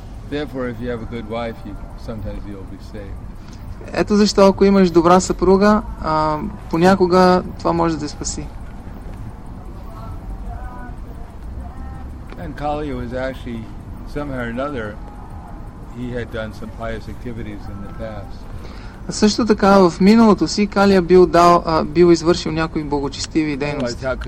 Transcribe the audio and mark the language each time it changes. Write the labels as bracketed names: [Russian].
[English] Therefore, if you have a good wife, sometimes you'll be saved. [Bulgarian] Ето защо, ако имаш добра съпруга, понякога това може да спаси. [English] And Kali was actually somehow or another he had done some pious activities in the past. [Bulgarian] Също така в миналото си Кали е бил дал бил извършил някои благочестиви дейности.